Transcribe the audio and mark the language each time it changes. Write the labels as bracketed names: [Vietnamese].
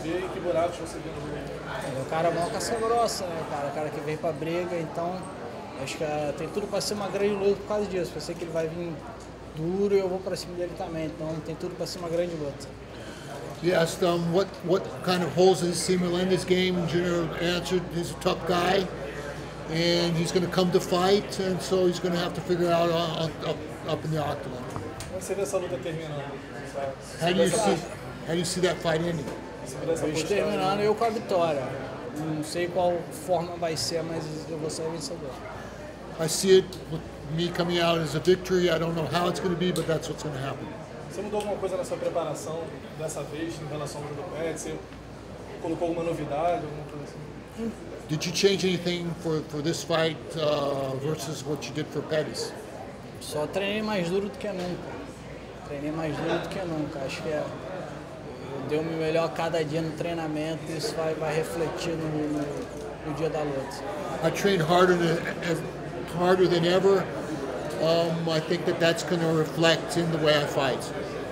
[Portuguese] O cara é uma caça grossa, né, cara? O cara que vem pra briga, então acho que tem tudo pra ser uma grande luta por causa disso. Eu sei que ele vai vir duro e eu vou pra cima dele também. Então tem tudo pra ser uma grande luta. [English] He asked them what kind of holes does he see Miller in this game, and Junior answered he's a tough guy and he's going to come to fight, and so he's going to have to figure out up in the octagon. How do you see that fight ending? [Portuguese] He's terminando eu com a vitória. Não sei qual forma vai ser, mas eu vou ser vencedor. [English] I see it with me coming out as a victory. I don't know how it's going to be, but that's what's going to happen. [Portuguese] Você mudou alguma coisa na sua preparação dessa vez em relação ao Edson? Você colocou alguma novidade, alguma coisa assim? [English] Did you change anything for this fight versus what you did for Pettis? [Portuguese] Só treinei mais duro do que nunca. Acho que eu dei o meu melhor cada dia no treinamento e isso vai refletir no dia da luta. [English] I trained harder than ever. I think that's going to reflect in the way I fight.